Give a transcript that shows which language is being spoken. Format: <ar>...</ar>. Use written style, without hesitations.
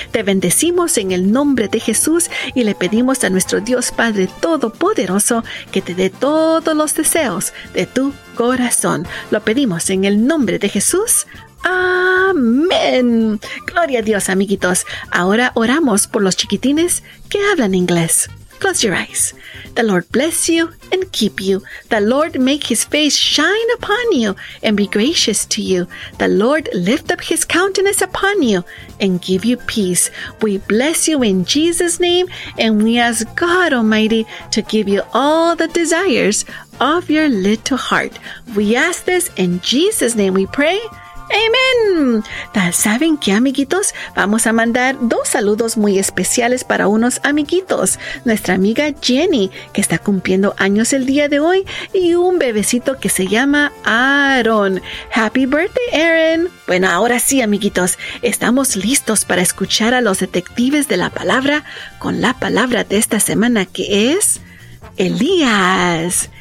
<es>Te bendecimos en el nombre de Jesús y le pedimos a nuestro Dios Padre Todopoderoso que te dé todos los deseos de tu corazón. Lo pedimos en el nombre de Jesús. Amén. Gloria a Dios, amiguitos. Ahora oramos por los chiquitines que hablan inglés.</es> <en>Close your eyes. The Lord bless you and keep you. The Lord make his face shine upon you and be gracious to you. The Lord lift up his countenance upon you and give you peace. We bless you in Jesus' name and we ask God Almighty to give you all the desires of your little heart. We ask this in Jesus' name we pray.</en> <es>¡Amén! ¿Saben qué, amiguitos? Vamos a mandar dos saludos muy especiales para unos amiguitos. Nuestra amiga Jenny, que está cumpliendo años el día de hoy, y un bebecito que se llama Aaron.</es> <en>¡Happy birthday,</en> <es>Aaron! Bueno, ahora sí, amiguitos, estamos listos para escuchar a los detectives de la palabra con la palabra de esta semana, que es Elías.</es>